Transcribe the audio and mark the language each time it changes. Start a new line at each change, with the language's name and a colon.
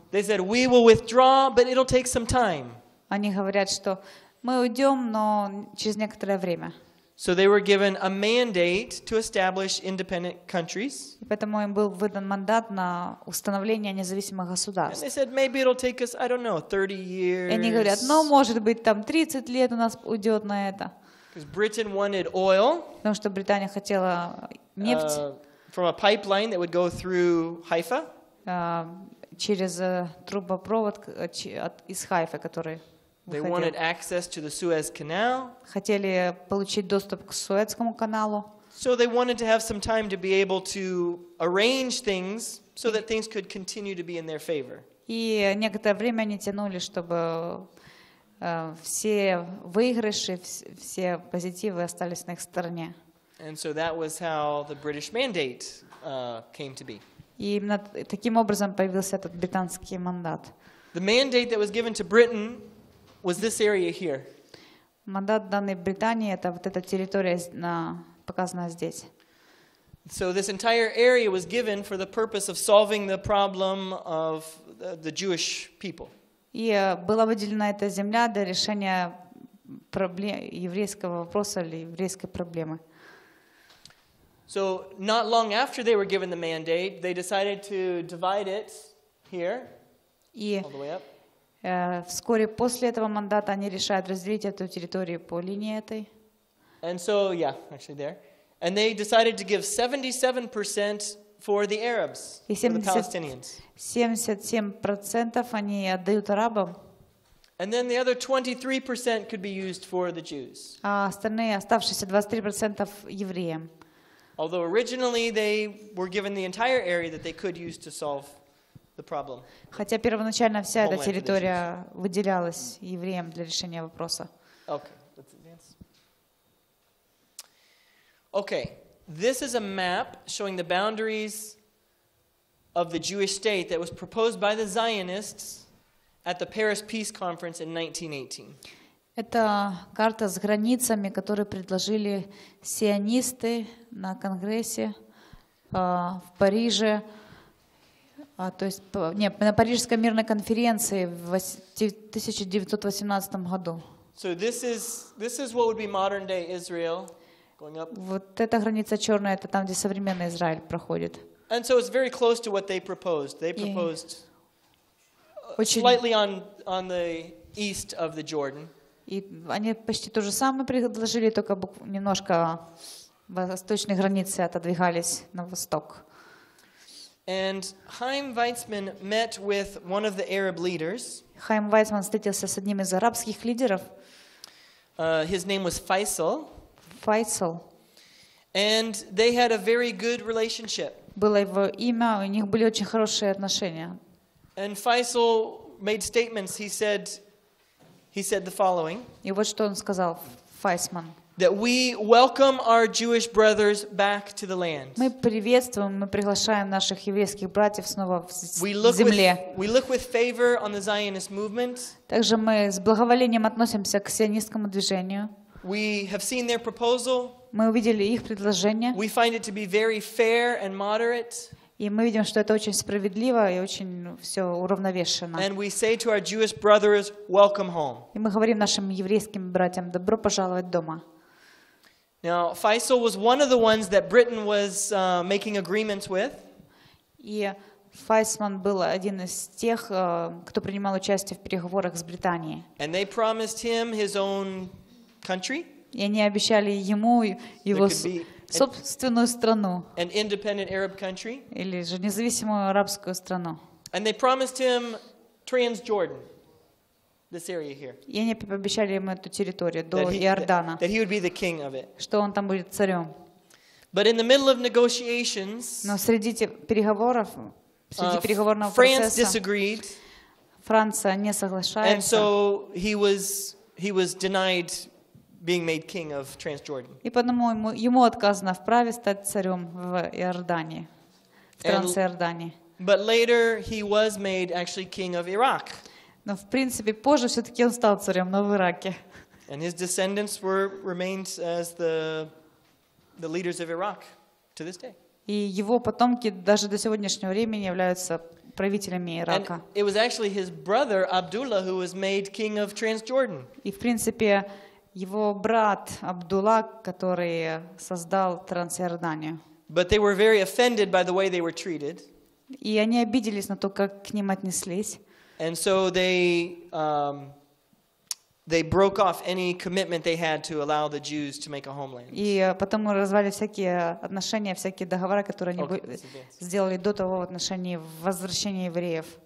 English: They said we will withdraw, but it'll take some time.
Russian: Они говорят, что мы уйдем, но через некоторое время.
English: So they were given a mandate to establish independent countries.
Russian: Поэтому им был выдан мандат на установление независимых государств.
English: And they said maybe it'll take us, I don't know, 30 years.
Russian: И они говорят, ну может быть там 30 лет у нас уйдет на это.
English: Because Britain wanted oil.
Russian: Потому что Британия хотела нефть.
English: From a pipeline that would go through Haifa.
Russian: Через трубопровод из Хайфы, который.
English: They wanted access to the Suez Canal.
Russian: Хотели получить доступ к Суэцкому каналу.
English: So they wanted to have some time to be able to arrange things so that things could continue to be in their favor.
Russian: И некоторое время они тянули, чтобы все выигрыши, все позитивы остались на их стороне.
English: And so that was how the British mandate came to be.
Russian: И именно таким образом появился этот британский мандат.
English: The mandate that was given to Britain was this area here.
Russian: Мандат данной Британии — это вот эта территория, на показанная здесь.
English: So this entire area was given for the purpose of solving the problem of the Jewish people.
Russian: И была выделена эта земля для решения проблемы еврейского вопроса или еврейской проблемы.
English: So not long after they were given the mandate, they decided to divide it here. И all the way up.
Russian: Вскоре после этого мандата они решают разделить эту территорию по линии этой.
English: And so, yeah, actually there. And they decided to give 77% for the Arabs, for the Palestinians.
Russian: 77% они отдают арабам.
English: And then the other 23% could be used for the Jews.
Russian: А остальные, оставшиеся 23% евреям.
English: Although originally they were given the entire area that they could use to solve the problem.
Russian: Хотя первоначально вся эта территория выделялась евреям для решения вопроса.
English: Okay, let's advance. Okay, this is a map showing the boundaries of the Jewish state that was proposed by the Zionists at the Paris Peace Conference in 1918.
Russian: Это карта с границами, которые предложили сионисты на конгрессе в Париже, то есть на Парижской мирной конференции в 1918 году.
English: So this is what would be modern day Israel going up.
Russian: Вот эта граница черная — это там, где современный Израиль проходит.
English: And so it's very close to what they proposed. They proposed slightly on the east of the Jordan.
Russian: И они почти то же самое предложили, только немножко восточные границы отодвигались на восток.
English: And Chaim Weizmann met with one of the Arab leaders.
Russian: Хаим Вайцман встретился с одним из арабских лидеров.
English: His name was Faisal.
Russian: Faisal.
English: And they had a very good relationship.
Russian: Было его имя, у них были очень хорошие отношения.
English: And Faisal made statements. He said the following.
Russian: И вот что он сказал, Файсман.
English: That we welcome our Jewish brothers back to the land.
Russian: Мы приветствуем, мы приглашаем наших еврейских братьев снова в земле.
English: We look with favor on the Zionist movement.
Russian: Также мы с благоволением относимся к сионистскому движению.
English: We have seen their proposal.
Russian: Мы увидели их предложение.
English: We find it to be very fair and moderate.
Russian: И мы видим, что это очень справедливо и очень все уравновешено.
English: And we say to our Jewish brothers, welcome home.
Russian: И мы говорим нашим еврейским братьям, добро пожаловать дома.
English: Now, Faisal was one of the ones that Britain was making agreements with.
Russian: И Вайсман был один из тех, кто принимал участие в переговорах с Британией.
English: And they promised him his own country.
Russian: И они обещали ему его собственную страну.
English: An independent Arab country.
Russian: Или же независимую арабскую страну.
English: And they promised him Transjordan. This area here.
Russian: И они пообещали ему эту территорию до Иордана.
English: That he would be the king of it.
Russian: Что он там будет царем.
English: But in the middle of negotiations,
Russian: но среди переговоров, среди переговорного процесса,
English: disagreed.
Russian: Франция не соглашается.
English: And so he was denied being made king of Transjordan.
Russian: И потому ему отказано в праве стать царем в Иордании, в Трансиордании.
English: But later he was made actually king of Iraq.
Russian: Но в принципе позже все-таки он стал царем, но в Ираке.
English: And his descendants remained as the leaders of Iraq to this day.
Russian: И его потомки даже до сегодняшнего времени являются правителями Ирака.
English: And it was actually his brother Abdullah who was made king of Transjordan.
Russian: И в принципе его брат Абдулла, который создал Трансиорданию.
English: But they were very offended by the way they were treated.
Russian: И они обиделись на то, как к ним отнеслись.
English: And so they broke off any commitment they had to allow the Jews to make a homeland.
Russian: И потом развали всякие отношения, всякие договора, которые они сделали до того в отношении возвращения евреев.